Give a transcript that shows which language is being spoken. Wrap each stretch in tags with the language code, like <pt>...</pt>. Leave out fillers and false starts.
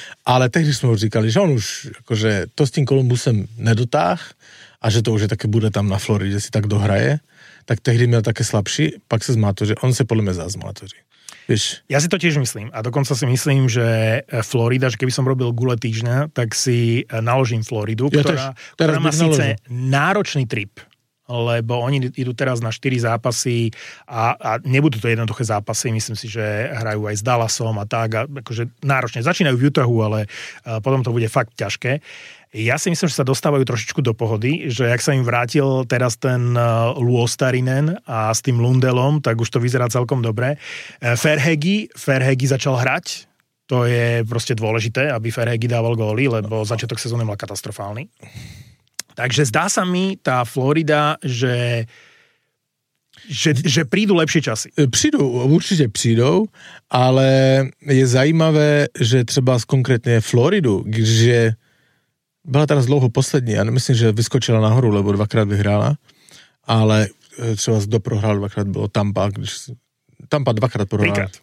<cs>Ale tehdy sme už říkali, že on už akože, to s tým Columbusem nedotáh a že to už je také, bude tam na Floride, si tak dohraje. Tak tehdy měl také slabší, pak se zmátoří. On se podle mě zás zmátoří. Víš? Já si to tiež myslím.</cs> <sk>A dokonca si myslím, že Florida, že keby som robil gule týždňa, tak si naložím Floridu, ktorá má sice naložil náročný trip, lebo oni idú teraz na 4 zápasy a nebudú to jednoduché zápasy. Myslím si, že hrajú aj s Dallasom a tak. A akože náročne. Začínajú v Utahu, ale potom to bude fakt ťažké. Ja si myslím, že sa dostávajú trošičku do pohody, že jak sa im vrátil teraz ten Luostarinen a s tým Lundelom, tak už to vyzerá celkom dobre. Ferhegi začal hrať. To je proste dôležité, aby Ferhegi dával góly, lebo začiatok sezóny bol katastrofálny. Takže zdá sa mi tá Florida, že prídu lepšie časy.</sk> <cs>Prídu, určite prídu, ale je zajímavé, že třeba z konkrétne Floridu, kde byla teraz dlouho poslední, já nemyslím, že vyskočila nahoru,</cs> <sk>lebo dvakrát vyhrála,</sk> <cs>ale třeba kdo prohrál dvakrát, bylo Tampa, když Tampa dvakrát prohrála.</cs>